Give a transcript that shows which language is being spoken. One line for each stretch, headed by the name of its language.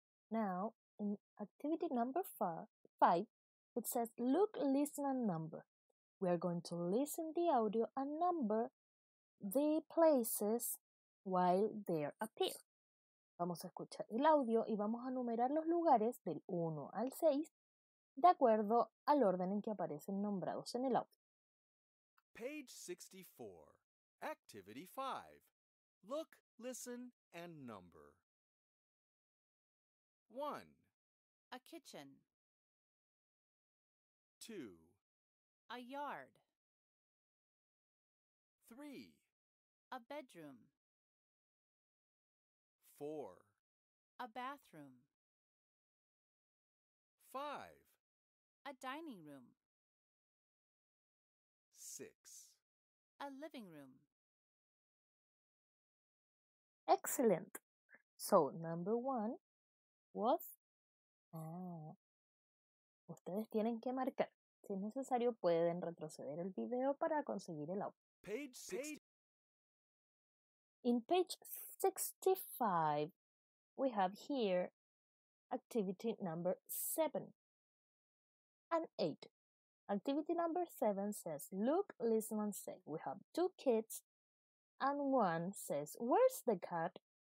English: Now, in activity number 5, it says look, listen, and number. We are going to listen the audio and number the places while they appear.
Spanish: Vamos a escuchar el audio y vamos a numerar los lugares del 1 al 6 de acuerdo al orden en que aparecen nombrados en el audio.
English: Page 64, Activity 5. Look, listen, and number. 1. A kitchen. 2. A yard. 3. A bedroom. 4. A bathroom. 5. A dining room. 6. A living room. Excellent. So, number 1 was...
Spanish: Ustedes tienen que marcar. Si es necesario, pueden retroceder el video para conseguir el audio.
English: Page 60. In page 65, we have here activity number 7 and 8. Activity number 7 says, look, listen, and say. We have 2 kids, and one says, where's the cat?